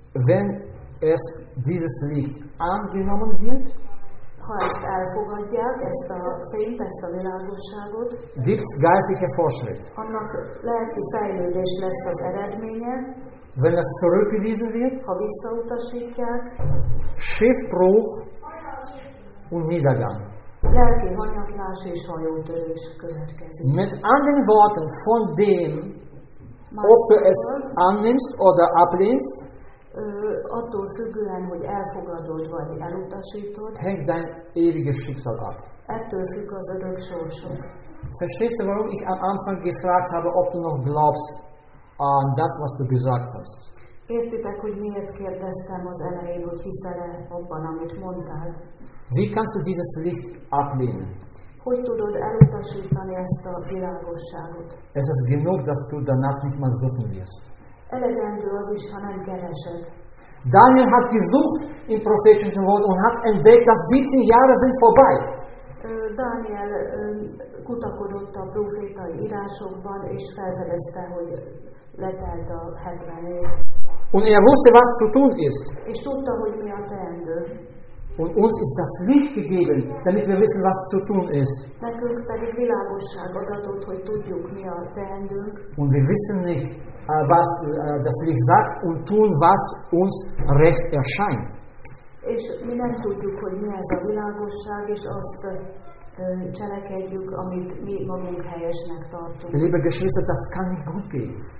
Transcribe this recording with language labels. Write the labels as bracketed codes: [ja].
[de] Wenn es dieses Licht angenommen wird, [hu] ha ezt elfogadják, ezt a fényt, ezt a világosságot, [de] gibt's geistliche Fortschritt. [hu] Annak lelki fejlődés lesz az eredménye. [de] Wenn es zurückgewiesen wird, [hu] ha visszautasítják, [de] Schiffbruch und Niedergang. [hu] Lelki hanyatlás és hajótörés következik. [de] Mit anderen Worten, von dem, ob du es annimmst oder ablehnst, [hu] attól függően, hogy elfogadod vagy elutasítod, [de] hängt dein ewiges Schicksal ab. [hu] Ettől függ az örök sorsod. [de] Verstehst du, warum ich am Anfang gefragt habe, ob du noch glaubst an das, was du gesagt hast? [hu] Értitek, hogy miért kérdeztem az elején, hogy hiszel-e abban, amit mondtál? [de] Wie kannst du dieses Licht ablehnen? [hu] Hogy tudod elutasítani ezt a világosságot? [de] Es ist genug, dass du danach nicht mehr suchen wirst. [hu] Elegendő az is, ha nem keresed. [de] Daniel hat gesucht im prophetischen Wort und hat entdeckt, dass 17 Jahre sind vorbei. [hu] Daniel kutakodott a prófétai írásokban, és felfedezte, hogy letelt a 70 év. [de] Und er wusste, was zu tun ist. [hu] És tudta, hogy mi a teendő. [de] Und uns ist das Licht gegeben, damit wir wissen, was zu tun ist. [hu] Nekünk pedig világosság adatott, hogy tudjuk, mi a teendőnk. [de] Und wir wissen nicht, was das Licht sagt und tun, was uns recht erscheint. [hu] És mi nem tudjuk, hogy mi ez a világosság, és azt cselekedjük, amit mi magunk helyesnek tartunk. [de] Liebe Geschwister, das kann nicht gut gehen.